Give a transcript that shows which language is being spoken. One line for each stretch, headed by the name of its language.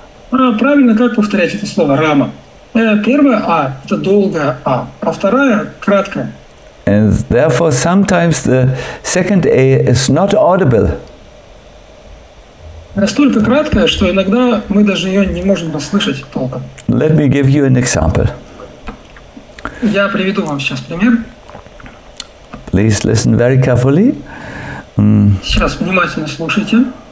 Russian: Правильно, как повторять это слово Рама? Первое А – это долгое А, а второе – краткое.
English: And therefore, sometimes the second A is not audible.
Russian: Настолько краткая, что иногда мы даже ее не можем расслышать толком.
English: Let me give you an example.
Russian: Я приведу вам сейчас пример.
English: Please listen very carefully.
Russian: Сейчас внимательно слушайте.